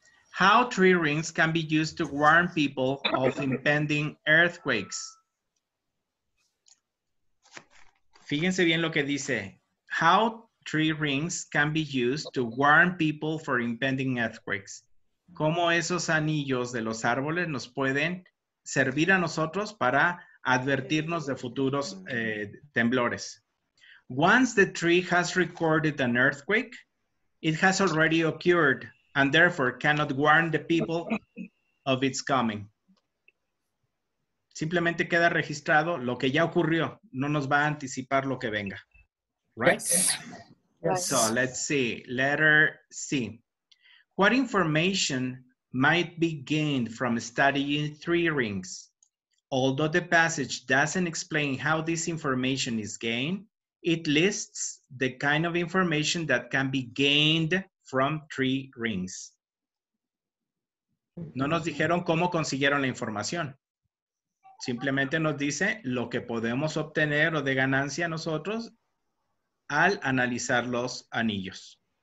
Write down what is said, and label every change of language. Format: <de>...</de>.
<en>How tree rings can be used to warn people of impending earthquakes.</en> <es>Fíjense bien lo que dice.</es> <en>How tree rings can be used to warn people for impending earthquakes.</en> <es>¿Cómo esos anillos de los árboles nos pueden servir a nosotros para advertirnos de futuros temblores?</es> <en>Once the tree has recorded an earthquake, it has already occurred and therefore cannot warn the people of its coming. ¿Sí?</en> <es>Simplemente queda registrado lo que ya ocurrió. No nos va a anticipar lo que venga. Right?</es> <en>Yes. So let's see. Letter C. What information might be gained from studying three rings? Although the passage doesn't explain how this information is gained, it lists the kind of information that can be gained from three rings.</en> <es>No nos dijeron cómo consiguieron la información. Simplemente nos dice lo que podemos obtener o de ganancia nosotros al analizar los anillos.</es>